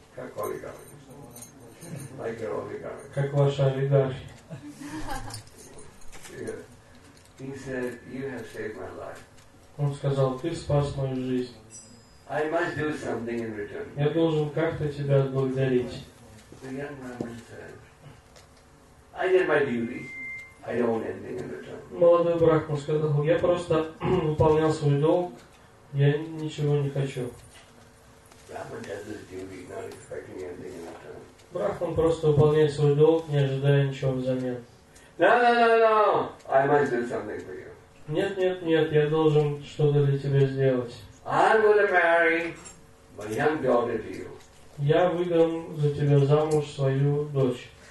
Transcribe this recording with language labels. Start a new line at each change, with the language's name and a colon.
Russian: Как олигархи.
English: Like your
Russian: олигархи. Как ваши олигархи.
English: He said, "You have saved my life."
Russian: Он сказал, ты спас мою жизнь.
English: I must do something in return.
Russian: Я должен как-то тебя отблагодарить.
English: The young man said, "I did my duty. I don't want anything in return."
Russian: Молодой брахман сказал, я просто выполнял свой долг. Я ничего не хочу.
English: Brahman does his duty, not expecting anything in return.
Russian: Брахман просто выполняет свой долг, не ожидая ничего взамен.
English: No. I must do something for you.
Russian: Нет, я должен что-то для тебя сделать.
English: I'm going to marry my young daughter to you.
Russian: Я выдам за тебя замуж свою дочь.